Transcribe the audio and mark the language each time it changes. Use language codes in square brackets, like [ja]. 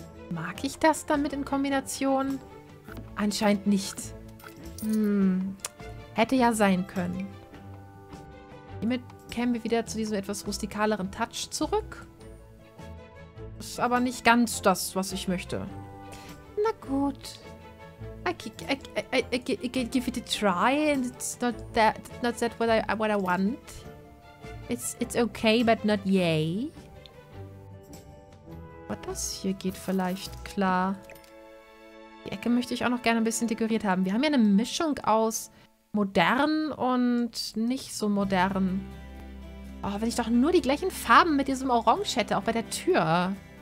[de] Mag ich das damit in Kombination? Anscheinend nicht. Hätte ja sein können. Hiermit kämen wir wieder zu diesem etwas rustikaleren Touch zurück. Ist aber nicht ganz das, was ich möchte. Na gut. [en] I give it a try and it's not what I want. It's okay, but not yay. [de] Aber das hier geht vielleicht klar. Die Ecke möchte ich auch noch gerne ein bisschen dekoriert haben. Wir haben ja eine Mischung aus modern und nicht so modern. Oh, wenn ich doch nur die gleichen Farben mit diesem Orange hätte, auch bei der Tür.